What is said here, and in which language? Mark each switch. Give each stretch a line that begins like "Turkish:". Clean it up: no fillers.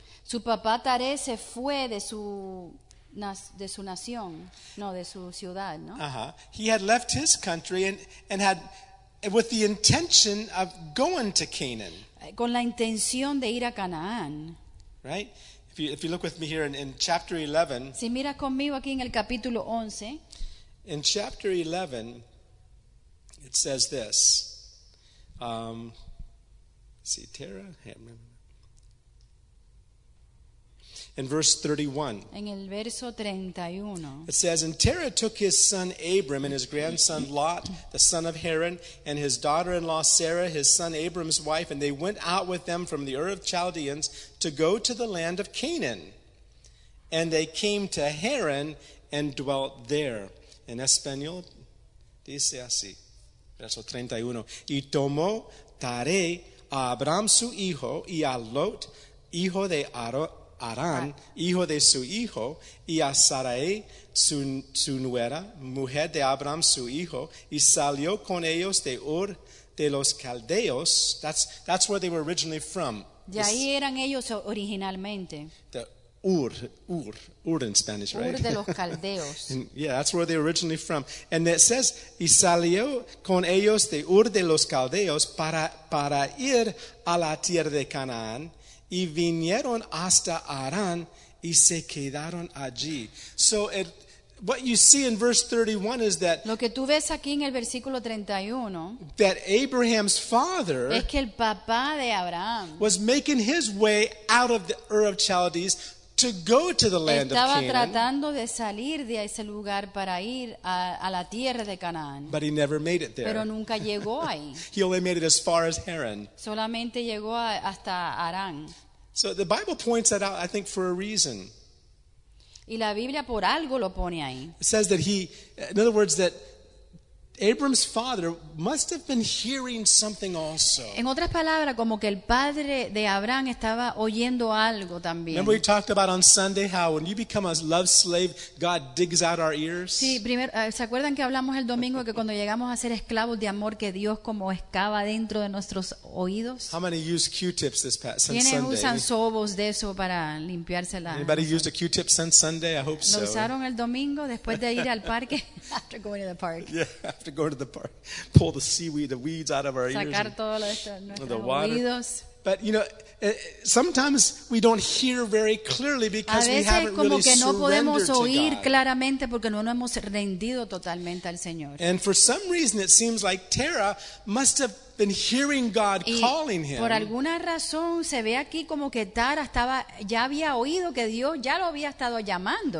Spanish: Su papá Tare se fue de su nación, no, de su ciudad, ¿no? Uh-huh.
English: He had left his country and had, with the intention of going to Canaan.
Spanish: Con la intención de ir a Canaán.
English: Right? If you look with me here in chapter 11.
Spanish: Si miras conmigo aquí en el capítulo 11.
English: In chapter 11, it says this. See, Tara? I can't remember. In verse 31,
Spanish: en el verso 31,
English: it says, and Terah took his son Abram and his grandson Lot, the son of Haran, and his daughter-in-law Sarah, his son Abram's wife, and they went out with them from the Ur of Chaldeans to go to the land of Canaan. And they came to Haran and dwelt there.
Spanish: En español, dice así, verso 31, y tomó Tare a Abram su hijo y a Lot, hijo de Arán, hijo de su hijo, y a Sarai, su nuera, mujer de Abraham, su hijo, y salió con ellos de Ur de los Caldeos.
English: That's where they were originally from.
Spanish: De ahí eran ellos originalmente.
English: The Ur in Spanish, right?
Spanish: Ur de los Caldeos.
English: Yeah, that's where they were originally from. And it says,
Spanish: y salió con ellos de Ur de los Caldeos para ir a la tierra de Canaán. Y vinieron hasta Arán y se quedaron allí.
English: So what you see in verse 31 is that
Spanish: lo que tú ves aquí en el versículo 31,
English: that Abraham's father
Spanish: es que el papá de Abraham
English: was making his way out of the Ur of Chaldees to go to the land
Spanish: estaba
English: of Canaan.
Spanish: Tratando de salir de ese lugar para ir a la tierra de Canaán.
English: But he never made it there.
Spanish: Pero nunca llegó ahí.
English: He only made it as far as Haran.
Spanish: Solamente llegó hasta Arán.
English: So the Bible points that out, I think, for a reason.
Spanish: Y la Biblia por algo lo pone ahí.
English: It says that he, in other words, that Abram's father must have been hearing something also.
Spanish: En otras palabras, como que el padre de Abraham estaba oyendo algo también.
English: Remember we talked about on Sunday how when you become a love slave, God digs out our ears.
Spanish: Sí, primero, ¿se acuerdan que hablamos el domingo que cuando llegamos a ser esclavos de amor, que Dios como excava dentro de nuestros oídos?
English: How many use Q-tips this past Sunday?
Spanish: ¿Quiénes usan sobos de eso para limpiarse la?
English: Anybody used a Q-tip since Sunday? I hope so.
Spanish: ¿Lo usaron el domingo después de ir al parque?
English: After going to the park. Yeah. Have to go to the park, pull the seaweed, the weeds out of our ears.
Spanish: Sacar todo lo de nuestros oídos.
English: But you know, sometimes we don't hear very clearly because we haven't really surrendered to God.
Spanish: A veces como que no podemos oír claramente porque no nos hemos rendido totalmente al Señor.
English: And for some reason, it seems like Terah must have been hearing God calling him.
Spanish: Por alguna razón se ve aquí como que Terah estaba, ya había oído que Dios ya lo había estado llamando.